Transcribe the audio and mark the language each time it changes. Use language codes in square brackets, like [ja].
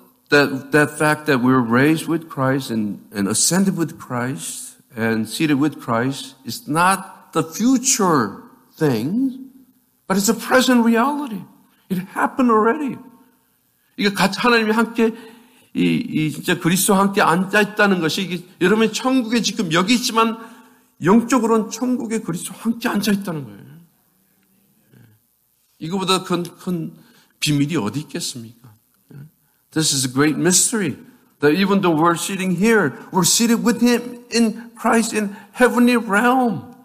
[en] That fact that we're raised with Christ and ascended with Christ and seated with Christ is not the future thing, but it's a present reality. It happened already. [ko] 이게 같이 하나님이 함께 이 진짜 그리스도와 함께 앉아 있다는 것이 이게, 여러분 천국에 지금 여기 있지만 영적으로는 천국에 그리스도와 함께 앉아 있다는 거예요. 이거보다 큰 비밀이 어디 있겠습니까? [en] This is a great mystery that even though we're sitting here, we're seated with him in Christ in heavenly realm.